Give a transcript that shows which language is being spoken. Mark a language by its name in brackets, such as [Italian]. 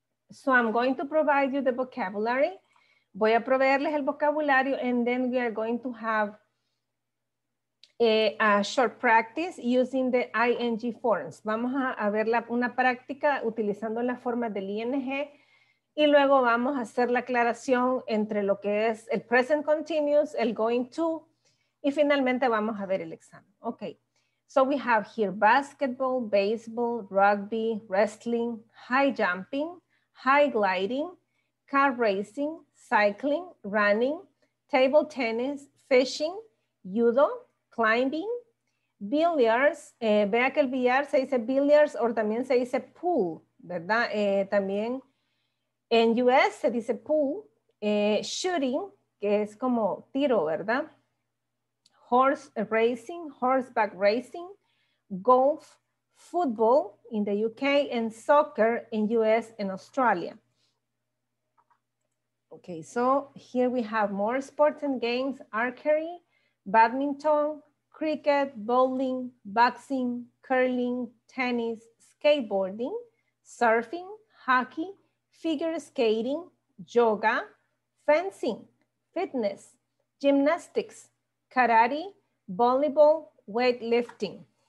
[English] So I'm going to provide you the vocabulary. [Spanish] Voy a proveerles el vocabulario [English] and then we are going to have a short practice using the ing forms. [Spanish] Vamos a ver una práctica utilizando la forma del ing y luego vamos a hacer la aclaración entre lo que es el present continuous, el going to, y finalmente vamos a ver el examen. [English] Okay. So we have here basketball, baseball, rugby, wrestling, high jumping, high gliding, car racing, cycling, running, table tennis, fishing, judo, climbing, billiards, [Spanish] vea que el billar se dice billiards o también se dice pool, ¿verdad? También en US se dice pool, shooting, que es como tiro, ¿verdad? [English] Horse racing, horseback racing, golf, football in the UK and soccer in US and Australia. Okay, so here we have more sports and games, archery, badminton, cricket, bowling, boxing, curling, tennis, skateboarding, surfing, hockey, figure skating, yoga, fencing, fitness, gymnastics, karate, volleyball, weightlifting.